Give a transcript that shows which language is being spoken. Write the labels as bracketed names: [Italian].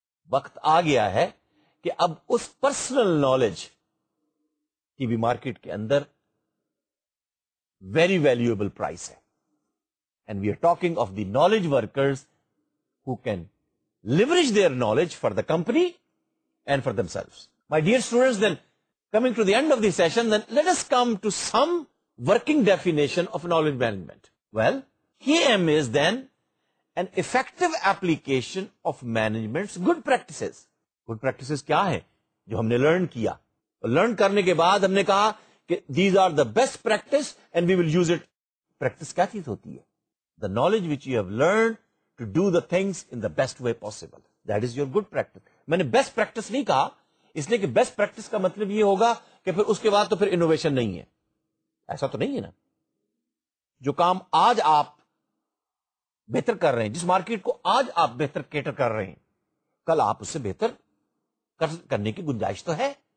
[Urdu] وقت آ گیا ہے کہ اب اس پرسنل نالج کی بھی مارکیٹ کے اندر [English] very valuable price [Urdu] ہے. [English] And we are talking of the knowledge workers who can leverage their knowledge for the company and for themselves. My dear students, then coming to the end of the session, then let us come to some working definition of knowledge management. Well, KM is then an effective application of management's good practices. Good practices [Urdu] kya hai? Jo humne learn kiya. Learn karne ke baad humne kaha ke [English] these are the best practice and we will use it. [Urdu] Practice kya cheez hoti hai? [English] The knowledge which you have learned to do the things in the best way possible. That is your good practice. [Urdu] میں نے best practice نہیں کہا اس لیے کہ best practice کا مطلب یہ ہوگا کہ پھر اس کے بعد تو پھر انوویشن نہیں ہے. ایسا تو نہیں ہے نا. جو کام آج آپ بہتر کر رہے ہیں، جس مارکیٹ کو آج آپ بہتر کیٹر کر رہے ہیں، کل آپ اس سے بہتر کرنے کی گنجائش تو ہے.